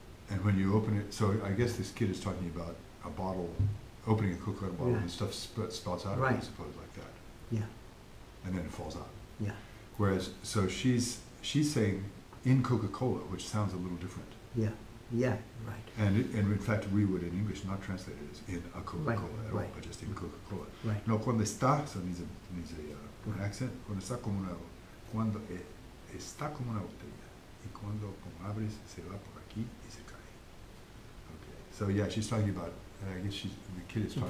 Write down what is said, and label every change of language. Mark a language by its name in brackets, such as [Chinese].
[English] And when you open it, so I guess this kid is talking about a bottle, opening a Coca-Cola bottle and stuff spouts out of it, I suppose, like that. Yeah. And then it falls out. Yeah. Whereas, so she's saying in Coca-Cola, which sounds a little different. Yeah. Yeah, right. And in fact, we would in English not translate it as in a Coca-Cola at all, but just in Coca-Cola. Right. [Spanish] No, cuando está, [English] so needs an accent. [Spanish] Cuando está como una, cuando está como una botella, y cuando como abres se va por aquí y se cae. [English] Okay. So yeah, she's talking about, and I guess the kid is talking.